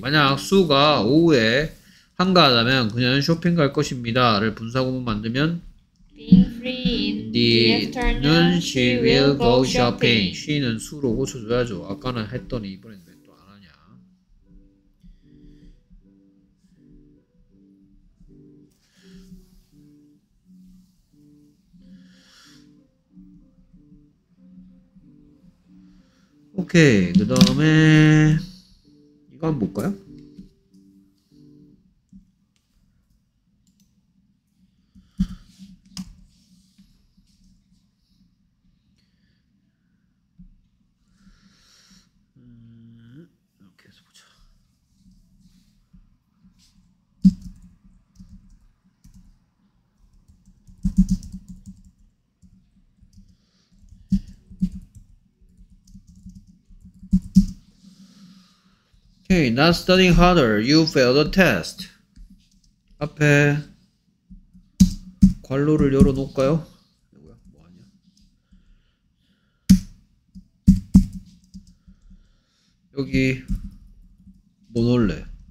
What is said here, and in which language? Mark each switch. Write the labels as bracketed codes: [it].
[ko] 만약 Sue가 오후에 한가하다면 그녀는 쇼핑 갈 것입니다. 를 분사구문 만들면 [en] Being free in the afternoon, she will go shopping. [ko] She는 Sue로 고쳐줘야죠. 아까는 했더니 이번에는 왜 또 안 하냐. 오케이. 그 다음에 이거 한번 볼까요? [en] 오케이, okay, not studying harder, you failed a test. [ko] 앞에 관로를 열어놓을까요? 뭐야, 뭐 아니야? 여기 뭐 넣을래?